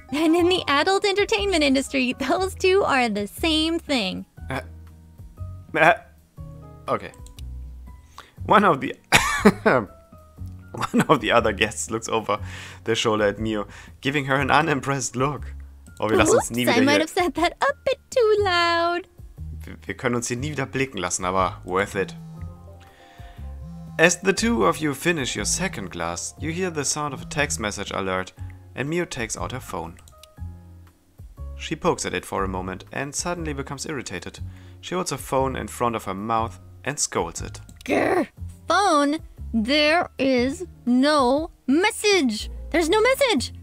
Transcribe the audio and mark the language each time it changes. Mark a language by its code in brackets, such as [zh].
[en] And in the adult entertainment industry, those two are the same thing. Okay. One of the other guests looks over their shoulder at Mio, giving her an unimpressed look. [de] Oh, wir lassen uns nie wieder [en] I might have said that a bit too loud. [de] Wir können uns hier nie wieder blicken lassen, aber [en] worth it. As the two of you finish your second glass, you hear the sound of a text message alert, and Mio takes out her phone. She pokes at it for a moment and suddenly becomes irritated. She holds her phone in front of her mouth and scolds it. Grr! Phone? There is no message! There's no message!